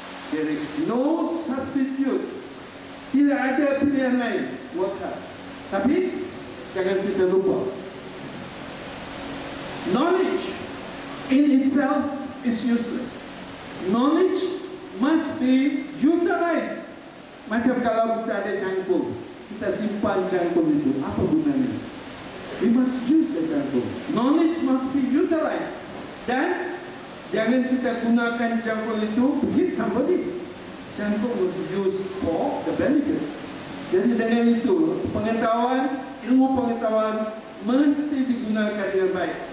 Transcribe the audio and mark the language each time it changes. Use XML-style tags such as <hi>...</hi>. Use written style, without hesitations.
<en>There is no substitute.</en> <ms>Tidak ada pilihan lain,</ms> <en>work hard.</en> <ms>Tapi jangan kita lupa,</ms> <en>knowledge in itself is useless. Knowledge must be utilized.</en> <ms>Macam kalau kita ada jangkung, kita simpan jangkung itu, apa gunanya?</ms> <en>We must use the jangkung. Knowledge must be utilized.</en> <ms>Dan jangan kita gunakan jangkung itu</ms> <en>to hit somebody. Jangkung must be used for the benefit.</en> <ms>Jadi dengan itu, pengetahuan, ilmu pengetahuan mesti digunakan dengan baik.</ms>